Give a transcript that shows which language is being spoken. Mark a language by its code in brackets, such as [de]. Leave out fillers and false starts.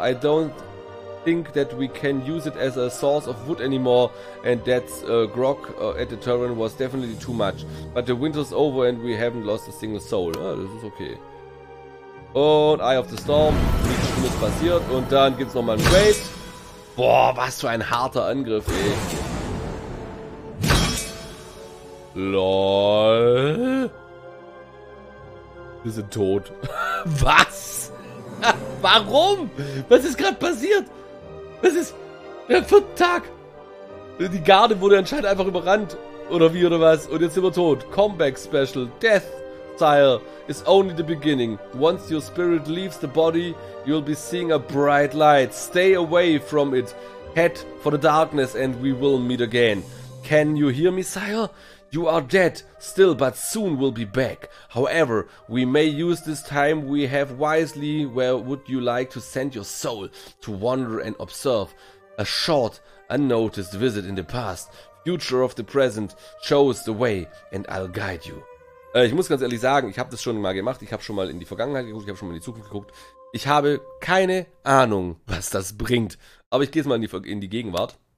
[en] I don't think that we can use it as a source of wood anymore, and that's grog at the tavern was definitely too much. But the winter's over and we haven't lost a single soul. [de] Ah, das ist okay. Und Eye of the Storm. Nichts Schlimmes passiert. Und dann gibt's nochmal einen Raid. Boah, was für ein harter Angriff, ey. LOL. Wir sind tot. Was? Warum? Was ist gerade passiert? Was ist... Der vierte Tag. Die Garde wurde anscheinend einfach überrannt. Oder wie, oder was? Und jetzt sind wir tot. Comeback Special. [en] Death Style is only the beginning. Once your spirit leaves the body, you'll be seeing a bright light. Stay away from it. Head for the darkness and we will meet again. Can you hear me, sire? You are dead still, but soon we'll be back. However, we may use this time we have wisely. Where would you like to send your soul to wander and observe? A short, unnoticed visit in the past. Future of the present shows the way and I'll guide you. [de] Ich muss ganz ehrlich sagen, ich habe das schon mal gemacht. Ich habe schon mal in die Vergangenheit geguckt, ich habe schon mal in die Zukunft geguckt. Ich habe keine Ahnung, was das bringt. Aber ich gehe jetzt mal in die Gegenwart.